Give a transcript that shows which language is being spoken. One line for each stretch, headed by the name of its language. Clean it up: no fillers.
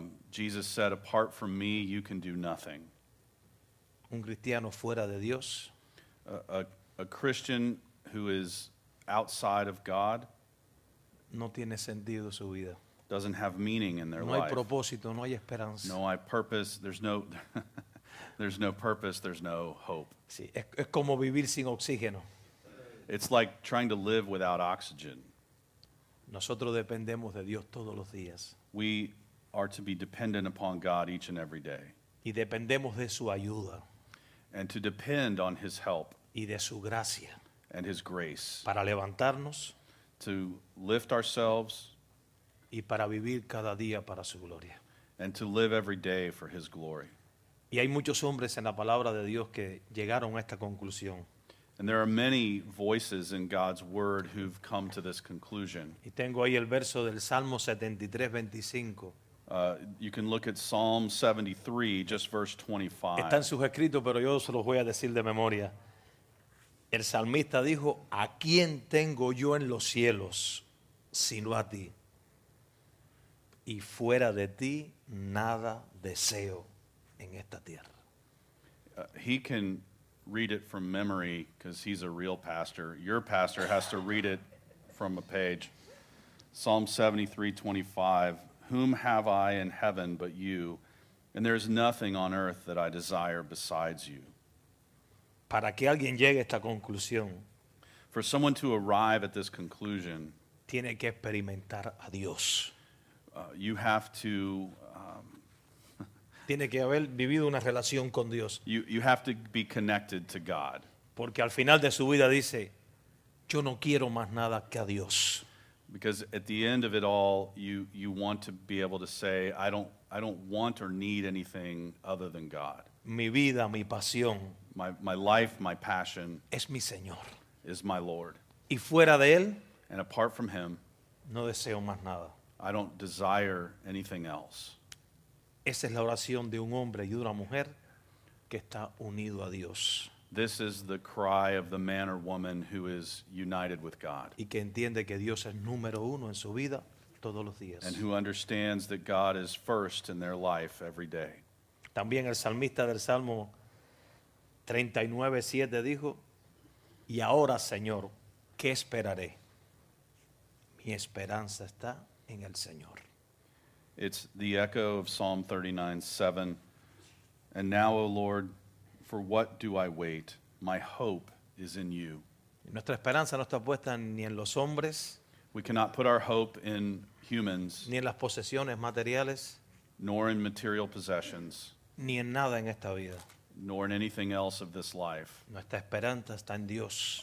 English: Jesus said, apart from me, you can do nothing.
Spanish: Un cristiano fuera de Dios.
English: A Christian who is outside of God.
Spanish: No tiene sentido su vida.
English: Doesn't have meaning in their life.
Spanish: No hay
English: life.
Spanish: Propósito, no hay esperanza. No hay
English: purpose, there's no there's no purpose, there's no hope.
Spanish: Sí, es como vivir sin oxígeno.
English: It's like trying to live without oxygen.
Spanish: Nosotros dependemos de Dios todos los días.
English: We are to be dependent upon God each and every day.
Spanish: Y dependemos de su ayuda.
English: And to depend on His help.
Spanish: Y de su gracia.
English: And His grace.
Spanish: Para levantarnos.
English: To lift ourselves.
Spanish: Y para vivir cada día para su gloria.
English: And to live every day for His glory.
Spanish: Y hay muchos hombres en la palabra de Dios que llegaron a esta conclusión.
English: And there are many voices in God's word who've come to this conclusion.
Spanish: Y tengo ahí el verso del Salmo 73:25.
English: You can look at Psalm 73, just verse 25.
Spanish: Están sus escritos, pero yo se los voy a decir de memoria. El salmista dijo, ¿a quién tengo yo en los cielos sino a ti? Y fuera de ti nada deseo en esta tierra.
English: He can read it from memory because he's a real pastor. Your pastor has to read it from a page. Psalm 73:25. Whom have I in heaven but you? And there is nothing on earth that I desire besides you.
Spanish: Para que alguien llegue a esta conclusión,
English: for someone to arrive at this conclusion,
Spanish: tiene que experimentar a Dios.
English: You have to.
Spanish: Tiene que haber vivido una relación con Dios.
English: You have to be connected to God.
Spanish: Porque al final de su vida dice, yo no quiero más nada que a Dios.
English: Because at the end of it all, you want to be able to say, I don't want or need anything other than God.
Spanish: Mi vida, mi pasión.
English: My life, my passion.
Spanish: Es mi Señor.
English: Is my Lord.
Spanish: Y fuera de él,
English: And apart from him,
Spanish: no deseo más nada.
English: I don't desire anything else.
Spanish: Esa es la oración de un hombre y de una mujer que está unido a Dios.
English: This is the cry of the man or woman who is united with God.
Spanish: Y que entiende que Dios es número uno en su vida todos los días.
English: And who understands that God is first in their life every day.
Spanish: También el salmista del Salmo 39:7 dijo, y ahora, Señor, ¿qué esperaré? Mi esperanza está en el Señor.
English: It's the echo of Psalm 39:7. And now, O Lord, for what do I wait? My hope is in you.
Spanish: Nuestra esperanza no está puesta ni en los hombres.
English: We cannot put our hope in humans.
Spanish: Ni en las posesiones materiales.
English: Nor in material possessions.
Spanish: Ni en nada en esta vida.
English: Nor in anything else of this life.
Spanish: Nuestra esperanza está en Dios.